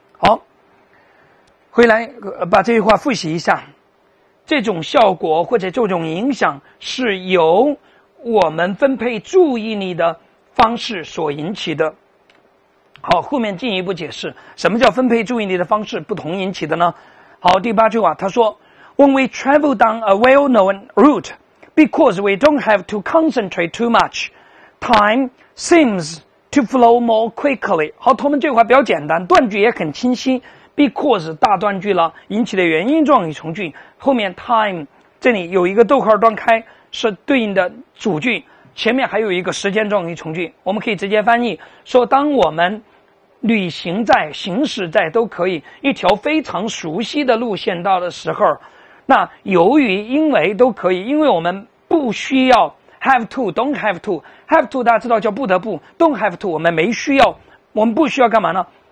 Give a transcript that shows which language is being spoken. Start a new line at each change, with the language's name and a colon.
Chinese: 好，回来把这句话复习一下。这种效果或者这种影响是由我们分配注意力的方式所引起的。好，后面进一步解释什么叫分配注意力的方式不同引起的呢？好，第八句话，他说
English: When we travel down a well-known route because we don't have to concentrate too much, time seems to flow more quickly。
Chinese: 好，同们这块比较简单，断句也很清晰。 Because 大断句了，引起的原因状语从句，后面 time 这里有一个逗号断开，是对应的主句，前面还有一个时间状语从句，我们可以直接翻译说：当我们旅行在、行驶在都可以一条非常熟悉的路线到的时候，那由于、因为都可以，因为我们不需要 have to、
English: don't have to、
Chinese: have to 大家知道叫不得不 ，don't have to 我们没需要，我们不需要干嘛呢？